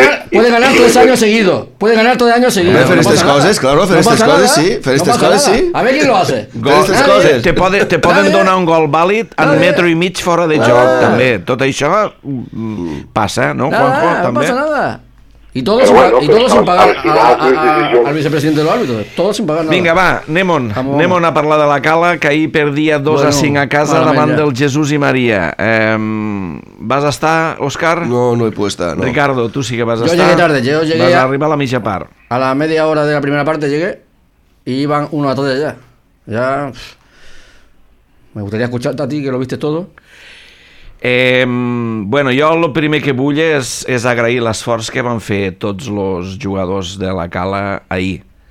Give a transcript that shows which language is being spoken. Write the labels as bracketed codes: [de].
[es] Puede ganar tres años seguidos. Puede ganar tres años seguidos. [ca] Fer estas coses, claro. Fer estas coses, sí. Fer estas coses, sí. [es] A ver qui lo hace. [ca] Gol, te poden donar un gol vàlid en metro i mig fora de joc, també. Tot això passa, no, Juanjo? També. [es] Nada. Y todo, bueno, y todo sin pagar al vicepresidente de los árbitros. Todo sin pagar nada. [ca] Vinga, va, anem on a parlar de la Cala, que ahir perdia 2-5 a casa davant del Jesús i Maria. Vas estar, Òscar? No, no he pogut estar, no. Ricardo, tu sí que vas jo estar. [es] Jo llegué tarde, jo llegué... [ca] Vas arribar a la mitja part. [es] A la media hora de la primera parte llegué y iban 1-3 ya. Ya... Me gustaría escucharte a ti, que lo viste todo. [ca] Bueno, jo el primer que vull és agrair l'esforç que van fer tots els jugadors de la Cala ahir.